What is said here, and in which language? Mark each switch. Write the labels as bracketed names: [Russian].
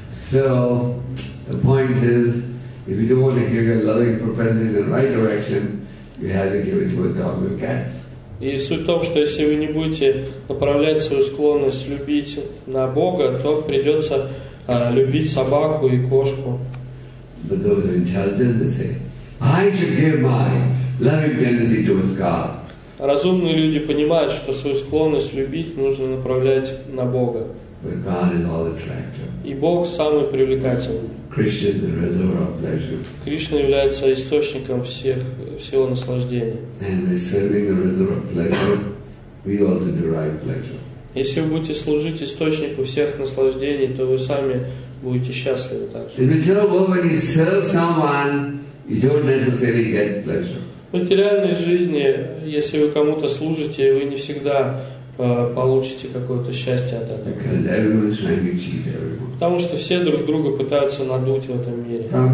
[English] So, the point is, if you don't want to give your loving propensity in the right direction, you have to give it to a dog or cats. [Russian] И суть в том, что если вы не будете направлять свою склонность любить на Бога, то придется любить собаку и кошку. [English] But those are intelligent, they say, I should give my loving tendency towards God. [Russian] Разумные люди понимают, что свою склонность любить нужно направлять на Бога. [English] But God is all attractive. [Russian] И Бог самый привлекательный. [English] Krishna is the reservoir of pleasure. [Russian] Кришна является источником всего наслаждения. [English] And by serving the reservoir of pleasure, we also derive pleasure. [Russian] Если вы будете служить источнику всех наслаждений, то вы сами будете счастливы также. [English] In material world, when you serve someone, you don't necessarily get pleasure. [Russian] В материальной жизни, если вы кому-то служите, вы не всегда получите какое-то счастье от этого. Потому что все друг друга пытаются надуть в этом мире.